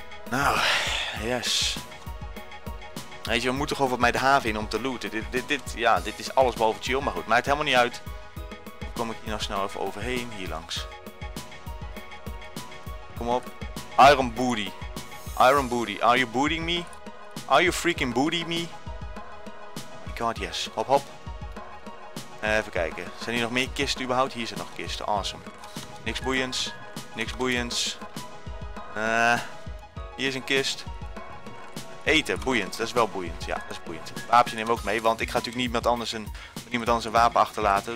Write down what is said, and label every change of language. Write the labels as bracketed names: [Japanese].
[Dutch] Nou, yes. Weet je, we moeten gewoon met de haven in om te looten. Dit is alles behalve chill, maar goed, maakt helemaal niet uit. Dan kom ik hier nou snel even overheen, hier langs. Kom op. Iron booty. [English] Iron booty, are you booting me? Are you freaking booty me? Oh my god, yes. Hop. [Dutch] Even kijken, zijn hier nog meer kisten überhaupt? Hier zijn nog kisten, awesome. Niks boeiends. Hier is een kist. Eten, boeiend. Dat is wel boeiend. Ja, dat is boeiend. Wapen nemen we ook mee, want ik ga natuurlijk niemand anders een wapen achterlaten.